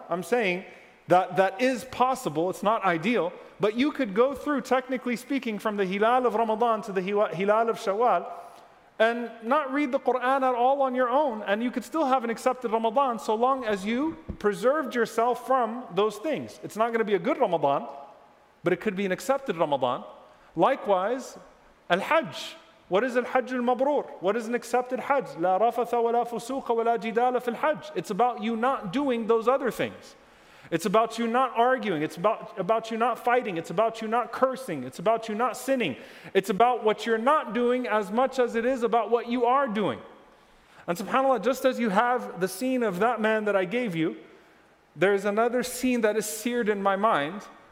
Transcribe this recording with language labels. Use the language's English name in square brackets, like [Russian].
[English] I'm saying that that is possible, it's not ideal, but you could go through, technically speaking, from the hilal of Ramadan to the hilal of Shawwal and not read the Qur'an at all on your own, and you could still have an accepted Ramadan so long as you preserved yourself from those things. It's not going to be a good Ramadan, but it could be an accepted Ramadan. Likewise, Al-Hajj. What is Al-Hajj al-Mabrur? What is an accepted Hajj? [Arabic] لا رفث ولا فسوق ولا جدال في الحج. [English] It's about you not doing those other things. It's about you not arguing. It's about you not fighting. It's about you not cursing. It's about you not sinning. It's about what you're not doing as much as it is about what you are doing. And subhanAllah, just as you have the scene of that man that I gave you, there is another scene that is seared in my mind.